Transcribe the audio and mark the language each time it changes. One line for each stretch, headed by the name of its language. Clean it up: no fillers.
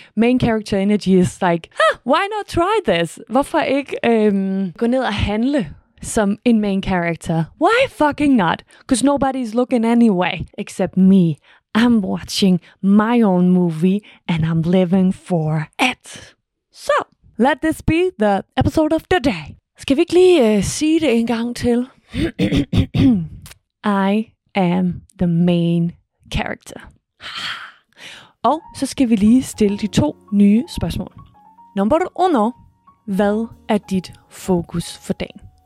English: Main character energy is like, why not try this?
Danish: Hvorfor ikke gå ned og handle som en
English: main character? Why fucking not? Because nobody's looking anyway, except me. I'm watching my own movie, and I'm living for it. So, let this be the episode of the day.
Danish: Skal vi ikke lige sige det en gang til?
English: I am the main character.
Danish: Og så skal vi lige stille de to nye spørgsmål. Number uno, hvad er dit fokus for dagen?